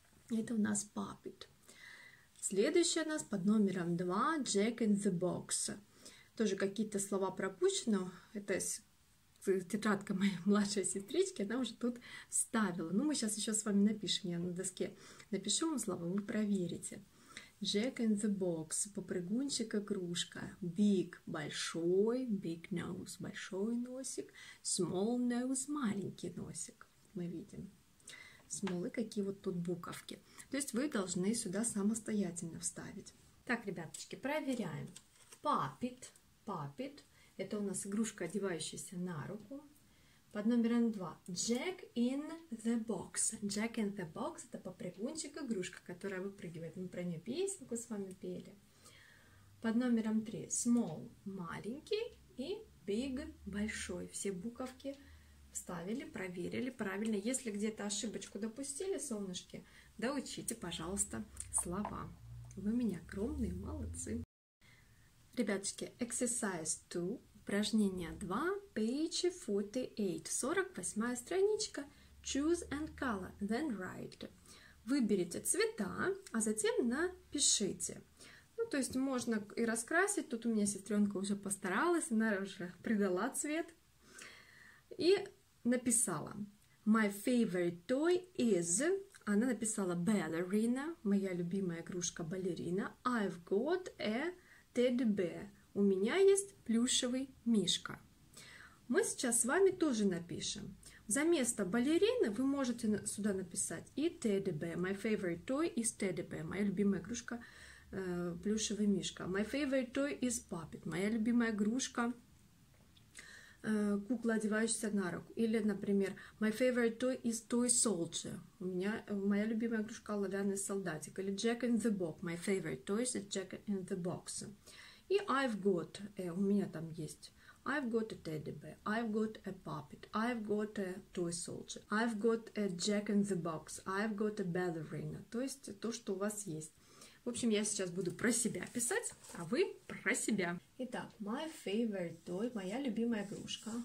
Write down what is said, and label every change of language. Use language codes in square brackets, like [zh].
[ru] Это у нас папит. Следующий у нас под номером 2 – Jack in the Box. Тоже какие-то слова пропущены. Это тетрадка моей младшей сестрички, она уже тут вставила. Ну, мы сейчас еще с вами напишем. Я на доске напишу вам слова, вы проверите. Jack in the Box – попрыгунчик, игрушка. Big – большой, big nose – большой носик. Small nose – маленький носик. Мы видим. Small – какие вот тут буковки. То есть вы должны сюда самостоятельно вставить. Так, ребяточки, проверяем. [en] Puppet – puppet. [ru] Это у нас игрушка, одевающаяся на руку. Под номером 2. [en] Jack in the box. [ru] Jack in the box – это попрыгунчик-игрушка, которая выпрыгивает. Мы про нее песенку с вами пели. Под номером 3. Small – маленький. И big – большой. Все буковки вставили, проверили правильно. Если где-то ошибочку допустили, солнышки, доучите, пожалуйста, слова. Вы меня огромные молодцы. Ребяточки, [en] exercise 2. [ru] Упражнение 2, [en] page 48, [ru] 48 страничка. [en] Choose and color, then write. [ru] Выберите цвета, а затем напишите. Ну, то есть можно и раскрасить. Тут у меня сестренка уже постаралась, она уже придала цвет. И написала. [en] My favorite toy is... [ru] Она написала ballerina, моя любимая игрушка балерина. [en] I've got a teddy bear. [ru] У меня есть плюшевый мишка. Мы сейчас с вами тоже напишем. За место балерины вы можете сюда написать и teddy bear. [en] My favorite toy is teddy bear. [ru] Моя любимая игрушка плюшевый мишка. [en] My favorite toy is puppet. [ru] Моя любимая игрушка кукла, одевающаяся на руку. Или, например, [en] my favorite toy is toy soldier. [ru] У меня моя любимая игрушка оловянный солдатик. [en] Или Jack in the box. My favorite toy is Jack in the box. [ru] И [en] I've got, [ru] у меня там есть... [en] I've got a teddy bear, I've got a puppet, I've got a toy soldier, I've got a jack in the box, I've got a ballerina. [ru] То есть то, что у вас есть. В общем, я сейчас буду про себя писать, а вы про себя. Итак, [en] my favorite toy, [ru] моя любимая игрушка.